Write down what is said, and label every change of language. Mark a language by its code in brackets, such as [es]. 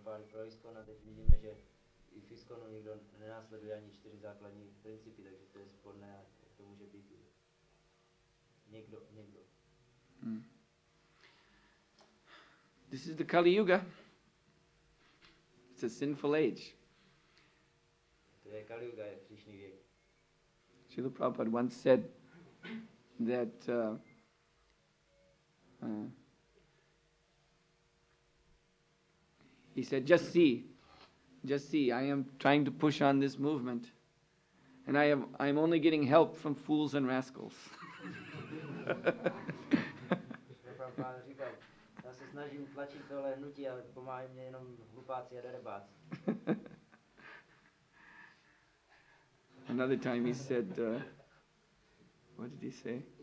[cs] Pro ISKCONa teď vidíme, že i v ISKCONu nikdo nenásleduje ani čtyři základní principy, takže to je sporné a to může být někdo. [en] This is the Kali Yuga. It's a sinful age. [cs] To je Kali Yuga, je hříšný věk. [en] Srila Prabhupada once said that he said, just see, I am trying to push on this movement and I'm only getting help from fools and rascals. [cs] Prabhupada říkal, já se snažím tlačit tohle hnutí, ale pomáhají mě jenom hlupáci a derebáci. [en] Another time he said, what did he say?